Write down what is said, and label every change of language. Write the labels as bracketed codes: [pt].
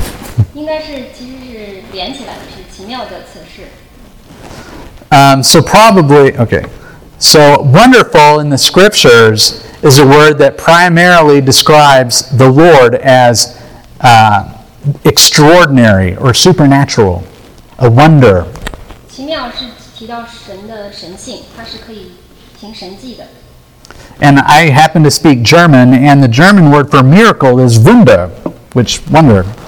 [en] So wonderful in the scriptures is a word that primarily describes the Lord as extraordinary or supernatural, a wonder. [zh] 奇妙是提到神的神性，它是可以行神迹的。 [en] And I happen to speak German, and the German word for miracle is Wunder, which wonder.